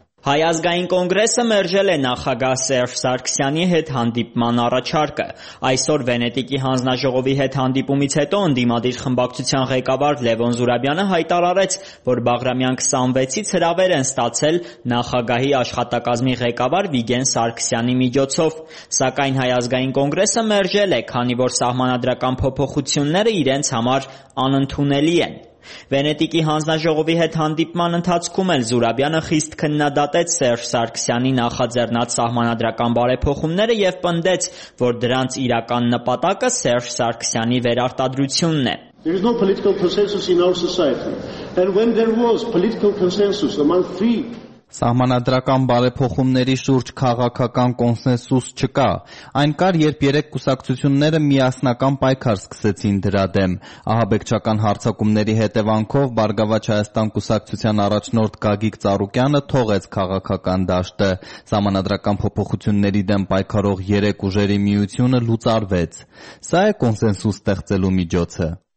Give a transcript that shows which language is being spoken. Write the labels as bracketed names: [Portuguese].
[Armenian] Հայազգային կոնգրեսը մերժել է նախագահ Սերժ Սարգսյանի հետ հանդիպման առաջարկը։ Այսօր Վենետիկի հանձնաժողովի հետ հանդիպումից հետո ընդդիմադիր խմբակցության ղեկավար Լևոն Զուրաբյանը հայտարարեց, որ Բաղրամյան 26-ից հրավեր են ստացել նախագահի աշխատակազմի ղեկավար Վիգեն Սարգսյանի միջոցով, սակայն հայազգային կոնգրեսը մերժել է, քանի որ սահմանադրական փոփոխությունները իրենց համար անընդունելի են։ Վենետիկի հանձնաժողովի հետ հանդիպման ընթացքում էլ Զուրաբյանը խիստ քննադատեց Սերժ Սարգսյանի նախաձեռնած սահմանադրական բարեփոխումները և պնդեց, որ դրանց իրական նպատակը Սերժ Սարգսյանի վերարտադրությունն է. [English] There is no political consensus in our society. And when there was political consensus among three... [Armenian] Սահմանադրական բարեփոխումների շուրջ քաղաքական կոնսենսուս չկա, այն կար, երբ երեք կուսակցությունները միասնական պայքար սկսեցին դրա դեմ։ Ահաբեկչական հարցակումների հետևանքով Բարգավաճ Հայաստան կուսակցության առաջնորդ Գագիկ Ծառուկյանը թողեց քաղաքական դաշտը։ Սահմանադրական փոփոխությունների դեմ պայքարող երեք ուժերի միությունը լուծարվեց։ Սա է կոնսենսուս ստեղծելու միջոցը։